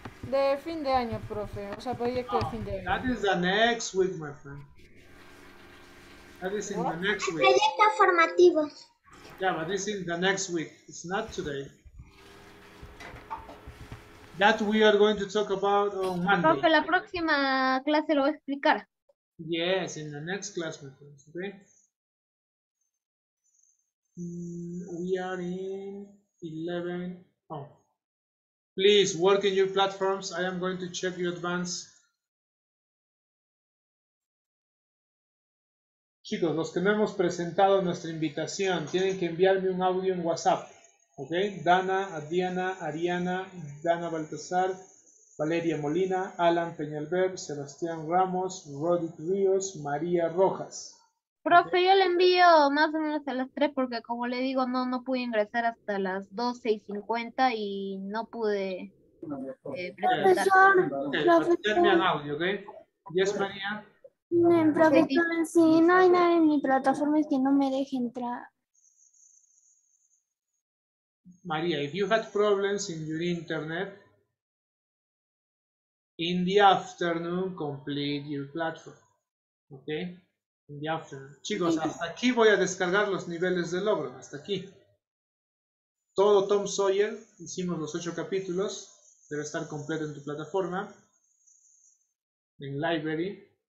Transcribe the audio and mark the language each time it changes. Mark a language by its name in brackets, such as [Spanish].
[Spanish] De fin de año, profe. O sea, proyecto de fin de año. [English] That is the next week, my friend. That is in the next week. [Spanish] Proyecto formativo. [English] Yeah, but this is in the next week. It's not today. That we are going to talk about on Monday. [Spanish] Profe, la próxima clase lo voy a explicar. [English] Yes, in the next class, my friends, okay? We are in 11. Oh. Please work in your platforms. I am going to check your advance. [Spanish] Chicos, los que no hemos presentado nuestra invitación tienen que enviarme un audio en WhatsApp. Okay, Dana, Adriana, Ariana, Dana Baltasar, Valeria Molina, Alan Peñalver, Sebastián Ramos, Rodrigo Ríos, María Rojas. Profe, okay. Yo le envío más o menos a las 3 porque como le digo, no pude ingresar hasta las 12:50 y no pude presentar. Okay, profesor, audio, okay? Yes, María. No, profesor, sí, no hay nada en mi plataforma que no me deje entrar. [English] María, if you had problems in your internet, in the afternoon, complete your platform, okay? In the afternoon. [Spanish] Chicos, hasta aquí voy a descargar los niveles de logro, hasta aquí. Todo Tom Sawyer, hicimos los 8 capítulos, debe estar completo en tu plataforma, en library.